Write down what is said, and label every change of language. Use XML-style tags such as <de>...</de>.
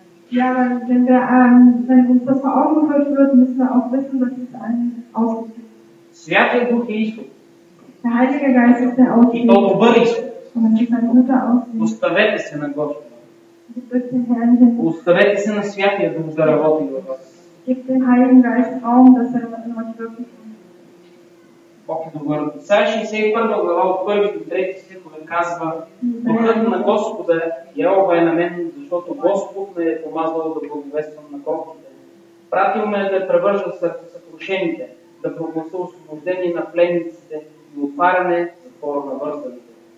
<de>Ja, wenn wir uns das vor Augen geführt wird, müssen wir auch wissen, dass es ein Ausweg gibt.</de> <bg>Святия Дух е изход.</bg> <de>Der Heilige Geist ist der Ausweg.</de> <bg>И то добър изход.</bg> <de>Und es ist ein guter Ausweg.</de> <bg>Оставете се на Господа.</bg> <de>Gib den Herrn hin.</de> <bg>Оставете се на Святия Дух да работи във вас.</bg> <de>Gib den Heiligen Geist Raum, dass er in euch wirken kann.</de> <bg>Бог е добър. Исаия 61 глава от 1 до 3 стихове казва: Духът на Господа Йехова е на мен, защото Господ ме е помазал да благовествам на кротките. Пратил ме да превържа съкрушените, да прогласа освобождение на пленниците и отваряне затвора на вързаните.</bg>